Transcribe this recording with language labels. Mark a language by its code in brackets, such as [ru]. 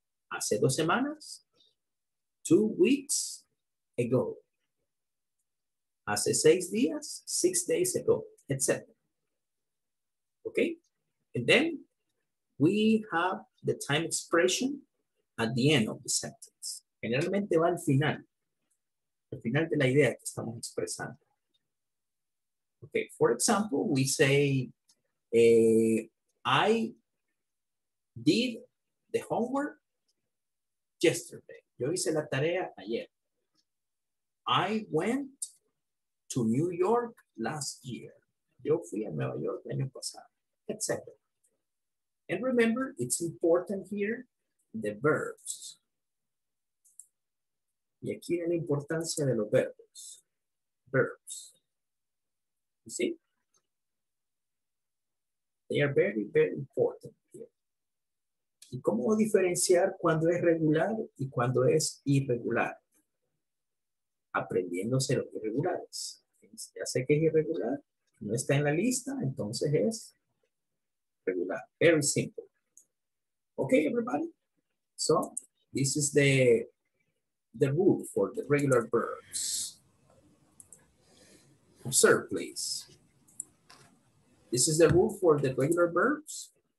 [es] Hace 2 semanas, [en] 2 weeks ago. [es] Hace 6 días, [en] 6 days ago, etc. Okay? And then we have the time expression at the end of the sentence. [es] Generalmente va al final de la idea que estamos expresando. [en] Okay, for example, we say, I did the homework yesterday. [es] Yo hice la tarea ayer. [en] I went to New York last year. [es] Yo fui a Nueva York año pasado, etc. [en] And remember, it's important here, the verbs. [es] Y aquí viene la importancia de los verbos. [en] Verbs. You see? They are very, very important here. [es] ¿Y cómo diferenciar cuando es regular y cuando es irregular? Aprendiéndose los irregulares. Ya sé que es irregular, no está en la lista, entonces es regular. [en] Very simple. Okay, everybody. So, this is the rule for the regular verbs. Observe, please. This is the rule for the regular verbs.